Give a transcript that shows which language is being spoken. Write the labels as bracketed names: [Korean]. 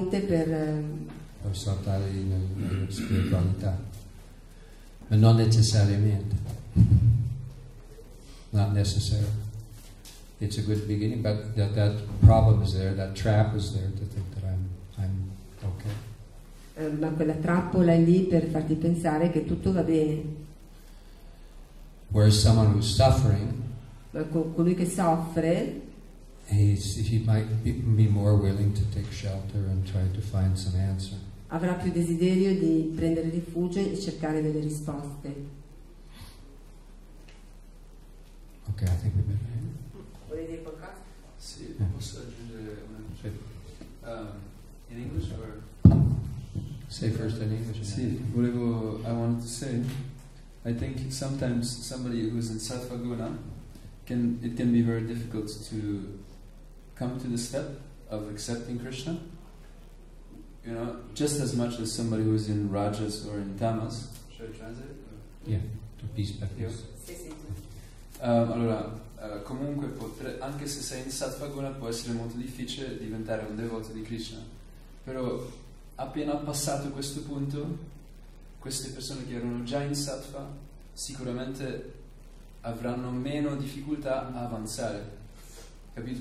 [Italian] Un ponte per saltare in spiritualità, ma non necessariamente. [English] Not necessary. It's a good beginning, but that problem is there, that trap is there to think that I'm okay. [Italian] Ma quella trappola è lì per farti pensare che tutto va bene. [English] Whereas someone who's suffering, [Italian] colui che soffre, [English] he might be more willing to take shelter and try to find some answer. [Italian] Avrà più desiderio di prendere rifugio e cercare delle risposte. [English] Ok, I think we better end. [Italian] Vuoi dire qualcosa? Sì, posso aggiungere una cosa? [English] In English or? Say first in English. [Italian] Sì, volevo, [English] I wanted to say, I think sometimes somebody who is in Sattvaguna, it can be very difficult to come to the step of accepting Krishna. You know, just as much as somebody who is in Rajas or in Tamas. Should I translate? Or? Yeah, to peace, by peace. [Italian] Allora, comunque, anche se sei in Sattvaguna, può essere molto difficile diventare un devoto di Krishna. Però, appena passato questo punto, queste persone che erano già in Sattva, sicuramente avranno meno difficoltà a avanzare. Capito?